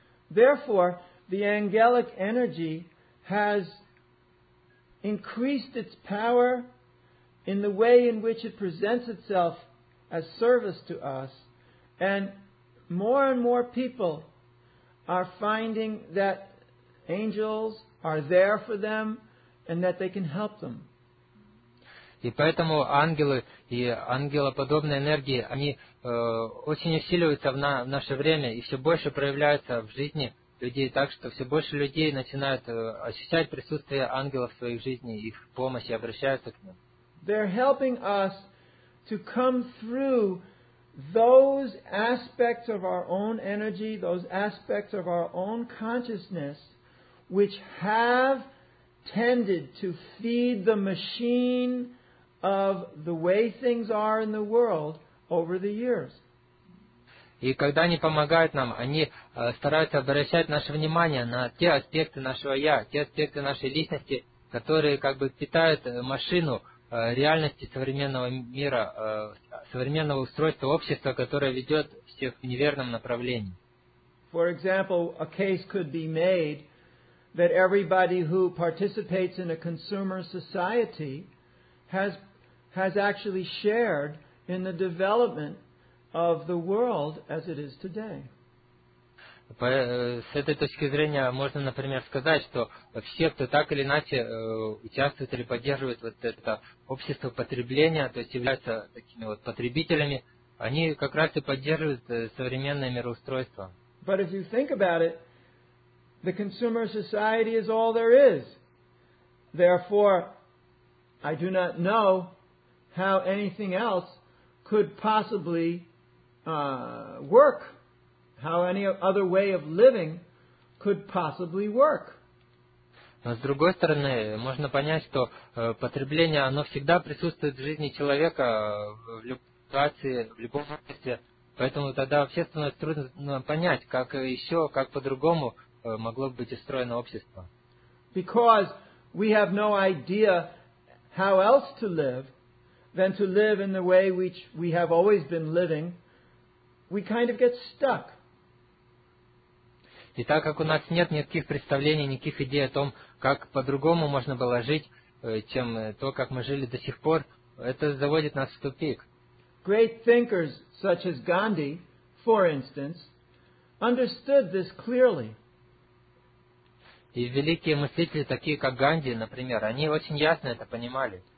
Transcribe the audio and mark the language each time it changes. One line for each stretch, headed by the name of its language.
English: Therefore, the angelic energy has increased its power in the way in which it presents itself as service to us, and more people are finding that angels are there for them, and that they can help them.
Russian: И поэтому ангелы и ангелоподобные энергии, они очень усиливаются в наше время и все больше проявляются в жизни людей, так что все больше людей начинают ощущать присутствие ангелов в своей жизни, их помощь и обращаются к ним.
English: They're helping us to come through those aspects of our own energy, those aspects of our own consciousness, which have tended to feed the machine of the way things are in the world over the years.
Russian: И когда они помогают нам, они стараются обращать наше внимание на те аспекты нашего «я», те аспекты нашей личности, которые как бы питают машину реальности современного мира, современного устройства общества, которое ведет всех в неверном направлении.
English: For example, a case could be made that everybody who participates in a consumer society has actually shared in the development of the world as it is today.
Russian: С этой точки зрения можно, например, сказать, что все, кто так или иначе участвует или поддерживает вот это общество потребления, то есть являются такими вот потребителями, они как раз и поддерживают современное мироустройство.
English: But if you think about it, the consumer society is all there is. Therefore, I do not know how anything else could possibly work. How any other way of living could possibly work.
Russian: Но с другой стороны, можно понять, что потребление, оно всегда присутствует в жизни человека в любой ситуации, в любом обществе. Поэтому тогда вообще становится трудно понять, как еще, как по-другому могло быть устроено общество.
English: Because we have no idea how else to live than to live in the way which we have always been living, we kind of get stuck.
Russian: И так как у нас нет никаких представлений, никаких идей о том, как по-другому можно было жить, чем то, как мы жили до сих пор, это заводит нас в тупик.
English: Great thinkers, such as Gandhi, for instance, understood this clearly.
Russian: И великие мыслители, такие как Ганди, например, они очень ясно это понимали.